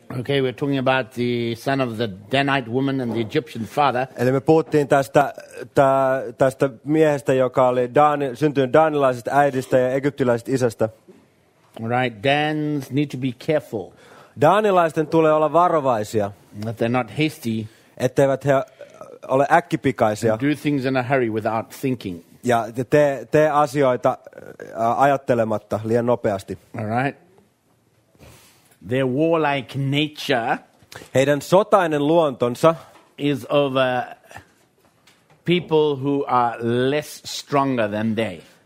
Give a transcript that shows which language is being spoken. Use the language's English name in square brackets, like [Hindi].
[English] Okay, we're talking about the son of the Danite woman and the Egyptian father. [Finnish] Eli me puhuttiin tästä miehestä, joka oli syntynyt danilaisesta äidistä ja egyptiläisestä isästä. [English] Right, Danes need to be careful. [Finnish] Danilaisten tulee olla varovaisia. [English] That they're not hasty. [Finnish] Etteivät he ole äkkipikaisia. [English] Do things in a hurry without thinking. [Finnish] Ja tee asioita ajattelematta liian nopeasti. [English] All right. Their warlike nature, [Finnish] heidän sotainen luontonsa, [English] is of a people who are less stronger than they.